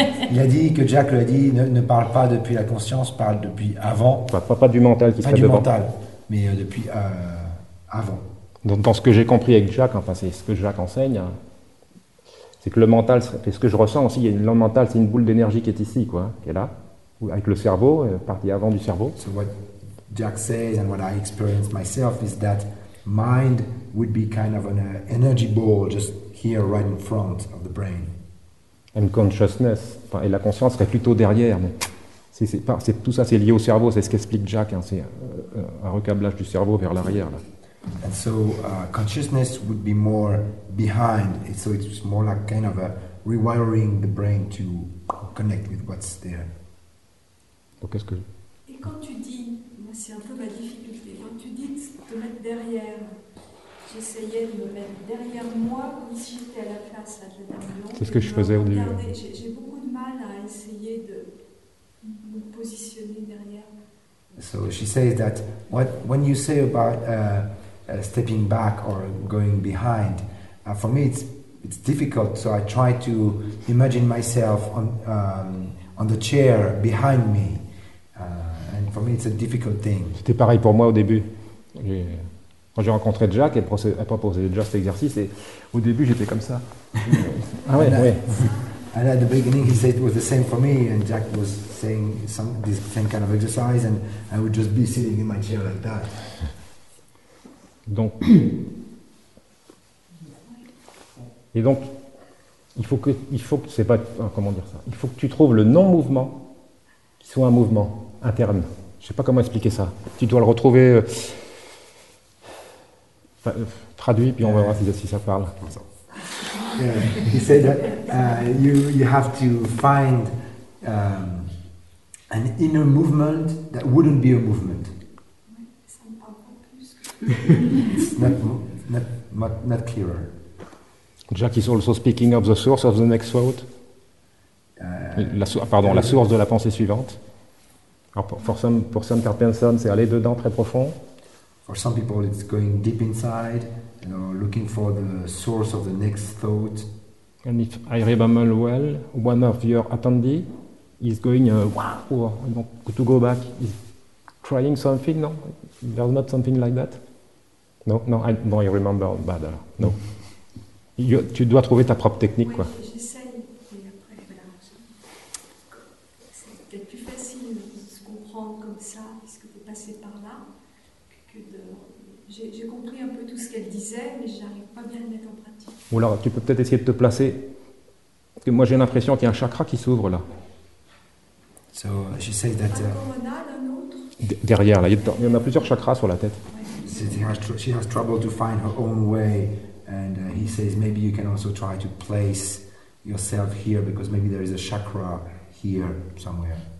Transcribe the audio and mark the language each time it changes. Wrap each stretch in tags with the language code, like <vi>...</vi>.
<fr>Il a dit que Jack lui a dit ne parle pas depuis la conscience, parle depuis avant. Pas du mental qui serait devant. Pas du mental, mais depuis avant. Dans ce que j'ai compris avec Jack, enfin c'est ce que Jack enseigne, c'est que le mental, c'est ce que je ressens aussi, le mental c'est une boule d'énergie qui est ici, quoi, qui est là, avec le cerveau, partie avant du cerveau.</fr> <en>So what Jack says and what I experience myself is that mind would be kind of an energy ball just here right in front of the brain. And consciousness,</en> <fr>et la conscience serait plutôt derrière, mais c'est tout ça, c'est lié au cerveau, c'est ce qu'explique Jack, hein, c'est un recablage du cerveau vers l'arrière. Là.</fr> <en>And so consciousness would be more behind, so it's more like kind of a rewiring the brain to connect with what's there.</en> <fr>Donc qu'est-ce que... Et quand tu dis, c'est un peu ma difficulté, quand tu dis de te mettre derrière... J'essayais de me mettre derrière moi comme si j'étais à la place de la lion. C'est ce que je faisais au début. J'ai beaucoup de mal à essayer de me positionner derrière.</fr> <en>So she says that when you say about stepping back or going behind, for me it's difficult. So I try to imagine myself on the chair behind me, and for me it's a difficult thing.</en> <fr>C'était pareil pour moi au début. Quand j'ai rencontré Jack, elle proposait déjà cet exercice et au début j'étais comme ça. Ah ouais, ouais.</fr> <en>And at the beginning he said it was the same for me and Jack was saying this same kind of exercise and I would just be sitting in my chair like that.</en> <fr>Donc, et donc, il faut que c'est pas, comment dire ça, il faut que tu trouves le non-mouvement qui soit un mouvement interne. Je sais pas comment expliquer ça. Tu dois le retrouver. Traduit, puis on va voir si ça parle.</fr> <en>Yeah, he said that you have to find an inner movement that wouldn't be a movement. It's not clearer. Jack is also speaking of the source of the next thought.</en> <fr>La source de la pensée suivante. Alors pour certaines personnes, c'est aller dedans très profond.</fr> <en>For some people, it's going deep inside, you know, looking for the source of the next thought. And if I remember well, one of your attendees is going to go back. He's trying something, no? There's not something like that. No, no, I don't remember bad. No.</en> <fr>Tu dois trouver ta propre technique, oui, quoi. J'essaye, mais après, voilà. C'est peut-être plus facile de se comprendre comme ça, puisque de passer par là, que de... J'ai compris un peu tout ce qu'elle disait, mais je n'arrive pas bien à le mettre en pratique. Ou alors, tu peux peut-être essayer de te placer. Parce que moi, j'ai l'impression qu'il y a un chakra qui s'ouvre, là.</fr> <en>So, she says that,</en> <fr>coronal, un autre. Derrière, là. Il y en a plusieurs chakras sur la tête.</fr> <en>She has trouble to find her own way. And he says maybe you can also try to place yourself here because maybe there is a chakra here somewhere.</en>